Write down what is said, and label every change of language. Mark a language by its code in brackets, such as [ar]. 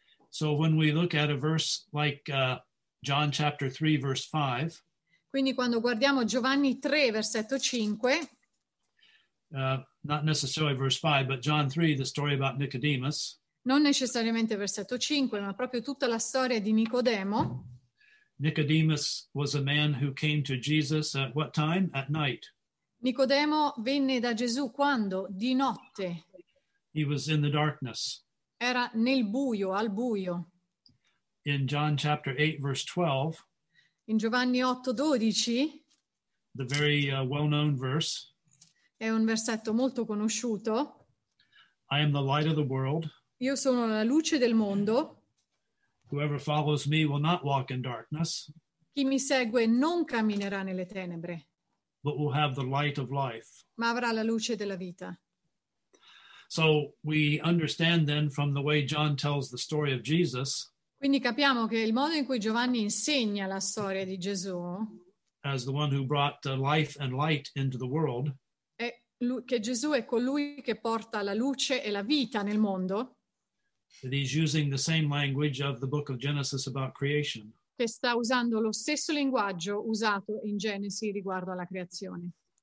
[en] So when we look at a verse like John chapter 3 verse 5. [it] Quindi quando guardiamo Giovanni 3 versetto 5. [en] Not necessarily verse 5, but John 3, the story about Nicodemus. [it] Non necessariamente versetto 5, ma proprio tutta la storia di Nicodemo. [en] Nicodemus was a man who came to Jesus at what time? At night. [it] Nicodemo venne da Gesù quando? Di notte. [en] He was in the darkness. [it] Era nel buio, al buio. [en] In John chapter 8 verse 12. [it] In Giovanni 8:12. [en] The very well-known verse. [it] È un versetto molto conosciuto. [en] I am the light of the world. [it] Io sono la luce del mondo. [en] Whoever follows me will not walk in darkness. [it] Chi mi segue non camminerà nelle tenebre. [en] But will have the light of life. [it] Ma avrà la luce della vita. [en] So we understand then from the way John tells the story of Jesus. [it] Quindi capiamo che il modo in cui Giovanni insegna la storia di Gesù. [en] As the one who brought life and light into the world. [it] È lui, che Gesù è colui che porta la luce e la vita nel mondo. [en] That he's using the same language of the book of Genesis about creation. [it] Che sta usando lo stesso linguaggio usato in Genesi riguardo alla creazione.